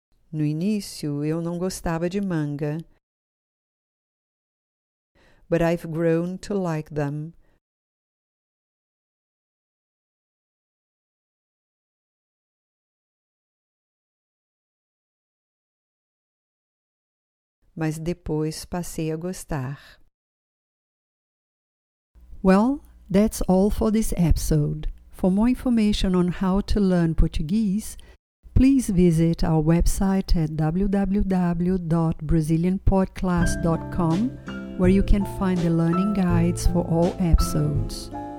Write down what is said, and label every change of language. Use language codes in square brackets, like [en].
[pt] No início, eu não gostava de manga. [en] But I've grown to like them. [pt] Mas depois passei a gostar. [en] Well, that's all for this episode. For more information on how to learn Portuguese, please visit our website at www.brazilianpodclass.com, where you can find the learning guides for all episodes.